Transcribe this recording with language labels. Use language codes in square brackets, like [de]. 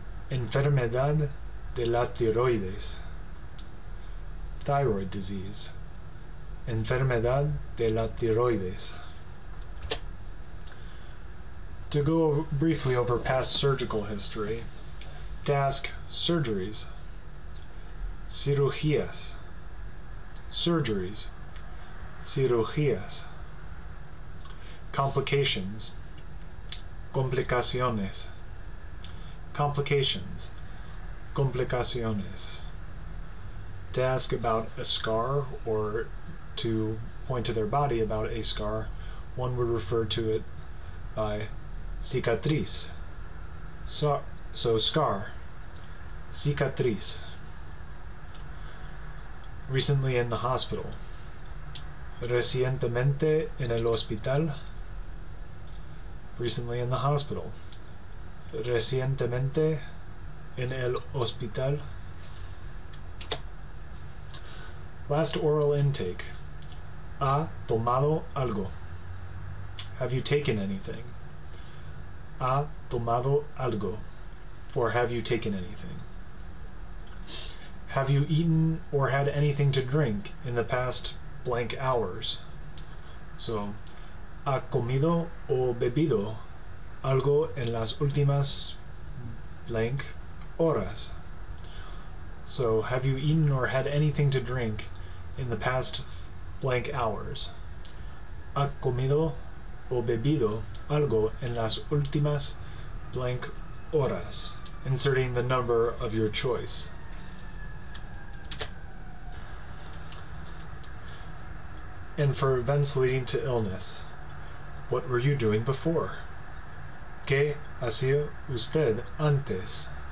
[es] Enfermedad de la tiroides. [en] Thyroid disease. [es] Enfermedad de la tiroides. [en] To go briefly over past surgical history, task surgeries. [es] Cirugías. [en] Surgeries. [es] Cirugías. [en] Complications. [es] Complicaciones. [en] Complications. [es] Complicaciones. [en] To ask about a scar or to point to their body about a scar, one would refer to it by cicatriz. So scar. [es] Cicatriz. [en] Recently in the hospital. [es] Recientemente en el hospital. [en] Recently in the hospital. [es] Recientemente en el hospital. [en] Last oral intake. [es] ¿Ha tomado algo? [en] Have you taken anything? [es] ¿Ha tomado algo? [en] Or have you taken anything? Have you eaten or had anything to drink in the past blank hours? [es] So, ¿ha comido o bebido algo en las últimas blank horas? [en] So, have you eaten or had anything to drink in the past blank hours? [es] ¿Ha comido o bebido algo en las últimas blank horas? [en] Inserting the number of your choice. And for events leading to illness, what were you doing before? [es] ¿Qué hacía usted antes?